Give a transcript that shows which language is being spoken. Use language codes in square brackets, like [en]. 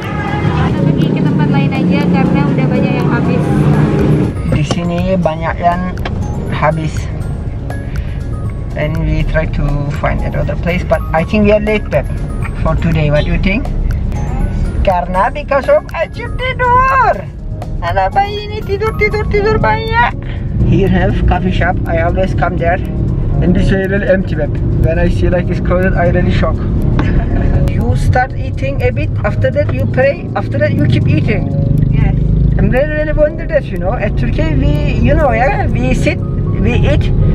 [id] Kita pergi ke tempat lain aja karena udah banyak yang habis. Di sini banyak yang habis. [en] And we try to find another place, but I think we are late back for today. What do you think? [id] Karena [en] because of Ajib tidur. [id] Anak bayi ini tidur banyak. [en] Here have coffee shop. I always come there. And this way really empty, but when I see like it's crowded, I really shock. You start eating a bit. After that, you pray. After that, you keep eating. Yes. I'm really really wonder that, you know. At Turkey, we, you know, yeah, we sit, we eat.